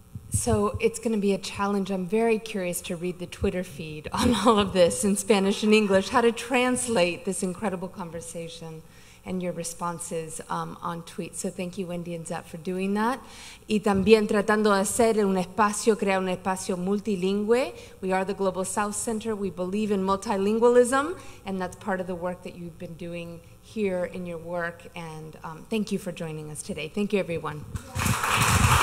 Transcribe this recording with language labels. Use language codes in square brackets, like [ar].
[en] So it's going to be a challenge. I'm very curious to read the Twitter feed on all of this in Spanish and English, how to translate this incredible conversation and your responses on tweets. So thank you, Wendy and Zap, for doing that. [es] Y también tratando de hacer un espacio, crear un espacio multilingüe. [en] We are the Global South Center. We believe in multilingualism, and that's part of the work that you've been doing here in your work. And thank you for joining us today. Thank you, everyone. Yeah.